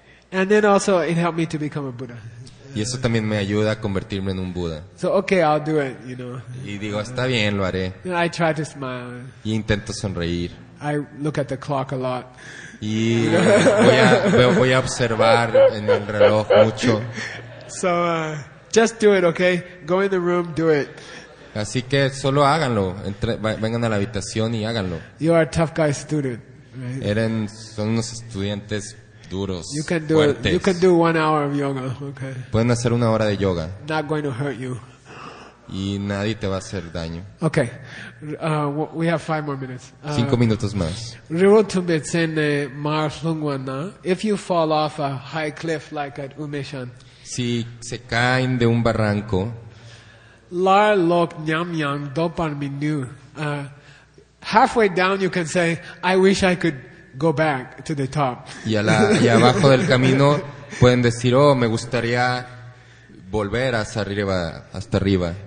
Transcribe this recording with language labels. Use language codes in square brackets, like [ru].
[en] And then also it helped me to become a Buddha. [es] Y eso también me ayuda a convertirme en un Buda. [en] So okay, I'll do it, you know. [es] Y digo, está bien, lo haré. [en] And I try to smile. [es] Y intento sonreír. [en] I look at the clock a lot. [es] Y voy a observar en el reloj mucho. [en] So just do it, okay? Go in the room, do it. [es] Así que solo háganlo. Vengan a la habitación y háganlo. [en] You are a tough guy student, right? [es] Son unos estudiantes duros, [en] you can do [es] fuertes. [en] You can do 1 hour of yoga. Okay. [es] Pueden hacer una hora de yoga. [en] Not going to hurt you. [es] Y nadie te va a hacer daño. [en] Okay. We have 5 more minutes. [es] 5 minutos más. [en] If you fall off a high cliff like at Umeshan. [es] Si se caen de un barranco. [bo] Lar lok nyam yang dopan minu. [en] Halfway down you can say, "I wish I could go back to the top." [es] Y abajo del camino pueden decir, "Oh, me gustaría volver hasta arriba.